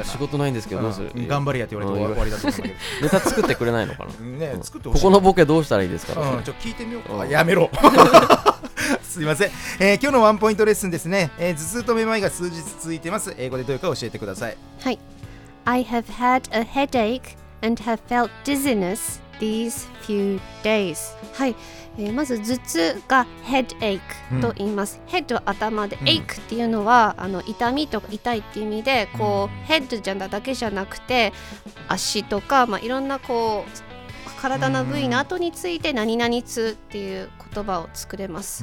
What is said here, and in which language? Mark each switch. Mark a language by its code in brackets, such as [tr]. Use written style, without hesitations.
[ja] 仕事ないんですけど、どうする、うん、頑張りやって言われて終わりだと思うんだけど、ネタ作ってくれないのかな。ね、作ってほしい。ここのボケどうしたらいいですか、ちょ聞いてみようか。やめろ、すいません、今日のワンポイントレッスンですね、頭痛とめまいが数日続いてます。英語でどういうか教えてください。はい。 [en] I have had a headache and have felt dizziness these few days. [ja] はい、まず頭痛が headache と言います、うん、head は頭で、うん、ache っていうのはあの痛みとか痛いっていう意味で、こう、うん、head じゃんだけじゃなくて足とか、まあ、いろんなこう体の部位の後について何々痛っていう言葉を作れます。